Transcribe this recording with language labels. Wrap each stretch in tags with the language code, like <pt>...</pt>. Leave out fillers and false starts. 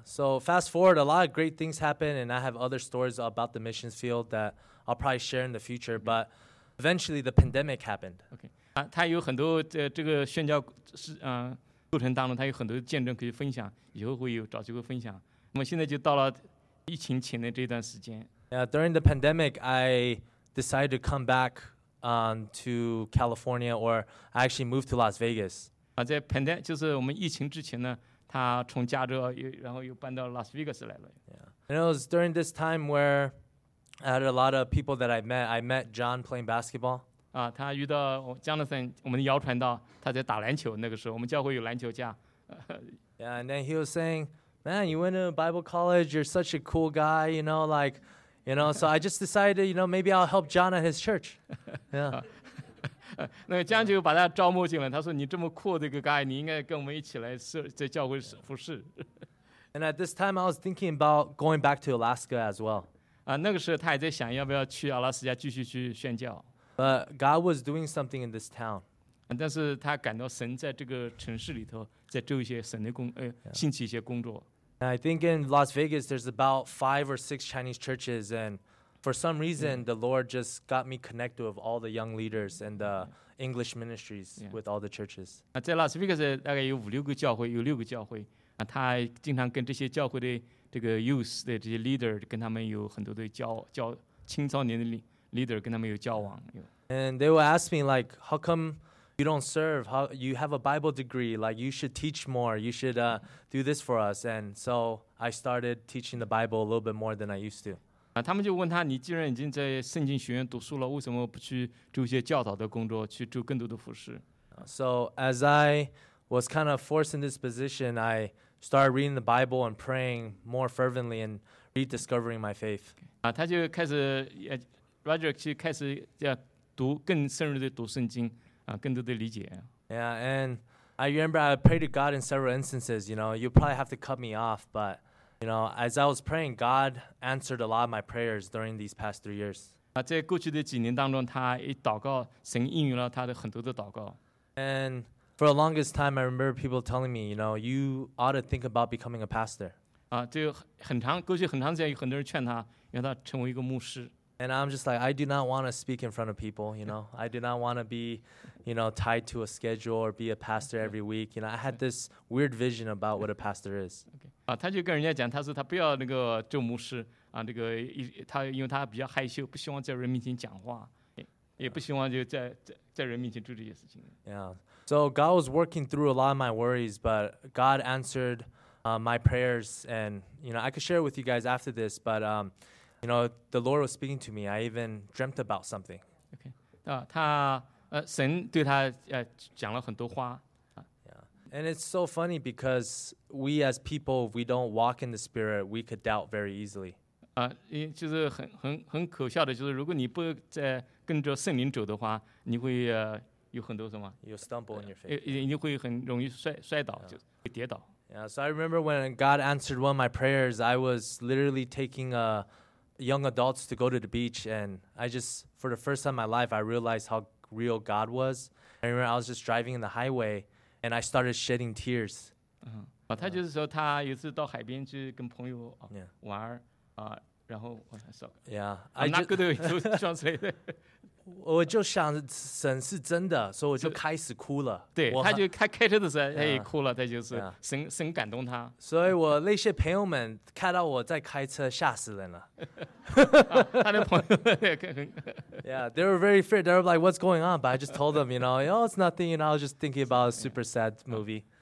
<en>So fast forward, a lot of great things happen, and I have other stories about the missions field that I'll probably share in the future, but eventually the pandemic happened. Okay.</en> <zh>他有很多这个宣教过程当中，他有很多见证可以分享，以后会有找机会分享。那么现在就到了疫情前的这段时间。</zh> <en>During the pandemic, I decided to come back to California, or I actually moved to Las Vegas.</en> <zh>在 pandemic 就是我们疫情之前呢，他从加州然后又搬到 Las Vegas 来了。</zh> <en>And it was during this time where I had a lot of people that I met. I met John playing basketball.</en> <zh>他遇到 Jonathan, 我们谣传到他在打篮球。那个时候我们教会有篮球架。</zh> <en>And then he was saying, man, you went to Bible college, you're such a cool guy, you know, like, you know, so I just decided, you know, maybe I'll help John at his church.</en> <zh>Yeah. 那个江就把他招募进来，他说你这么酷的一个 guy, 你应该跟我们一起来在教会服侍。</zh> <en>And at this time, I was thinking about going back to Alaska as well.</en> <zh>那个时候他也在想要不要去阿拉斯加继续去宣教。</zh> <en>But God was doing something in this town.</en> <zh>但是他感到神在这个城市里头在做一些神的工，兴起一些工作。</zh> <en>And I think in Las Vegas, there's about 5 or 6 Chinese churches, and for some reason, the Lord just got me connected with all the young leaders and the English ministries with all the churches.</en> <zh>在 Las Vegas 大概有5-6个教会，有6个教会。他经常跟这些教会的这个 youth 的这些 leader 跟他们有很多的教青少年的领。 Leader 跟他们有交往。</zh> <en>And they will ask me, like, how come you don't serve? How, you have a Bible degree, like, you should teach more. You should do this for us. And so I started teaching the Bible a little bit more than I used to.</en> <zh>他们就问他，你既然已经在圣经学院读书了，为什么不去做一些教导的工作，去做更多的服事？</zh> <en>So as I was kind of forced in this position, I started reading the Bible and praying more fervently and rediscovering my faith.</en> <zh>他就开始Roger 去开始要读更深入的读圣经，更多的理解。</zh> <en>Yeah, and I remember I prayed to God in several instances. You know, you probably have to cut me off, but you know, as I was praying, God answered a lot of my prayers during these past 3 years.</en> <zh>在过去的几年当中，他一祷告，神应允了他的很多的祷告。</zh> <en>And for the longest time, I remember people telling me, you know, you ought to think about becoming a pastor.</en> <zh>就很长过去很长时间，有很多人劝他，让他成为一个牧师。</zh> <en>And I'm just like, I do not want to speak in front of people, you know. I do not want to be, you know, tied to a schedule or be a pastor every week. You know, I had this weird vision about what a pastor is. Okay.</en> <zh>他就跟人家讲，他说他不要那个做牧师啊，那个他因为他比较害羞，不希望在人面前讲话，也不希望就在人面前做这些事情。</zh> <en>Yeah. So God was working through a lot of my worries, but God answered my prayers, and you know, I could share it with you guys after this, but You know, the Lord was speaking to me. I even dreamt about something.</en> <zh>Okay. 他神对他讲了很多话。</zh> <en>Yeah. And it's so funny because we as people, if we don't walk in the Spirit, we could doubt very easily.</en> <zh>就是很可笑的，就是如果你不在跟着圣灵走的话，你会有很多什么？</zh> <en>You stumble in your faith.</en> <zh>你会很容易摔倒，就会跌倒。</zh> <en>Yeah. So I remember when God answered one of my prayers, I was literally taking a young adults to go to the beach, and I just, for the first time in my life, I realized how real God was. I remember I was just driving in the highway, and I started shedding tears.</en> <zh>啊，他就是说他有次到海边去跟朋友啊玩儿啊，然后我说</zh> <en>，Yeah, I'm not good at translating.</en> <zh>我就想神是真的，所以我就开始哭了。对，他就开车的时候他也哭了，他就是神感动他。所以我那些朋友们看到我在开车，吓死人了。他的朋友</zh> <en>，Yeah, they were very afraid. They were like, "What's going on?" But I just told them, you know, "Oh, it's nothing." And I was just thinking about a super sad movie.</en>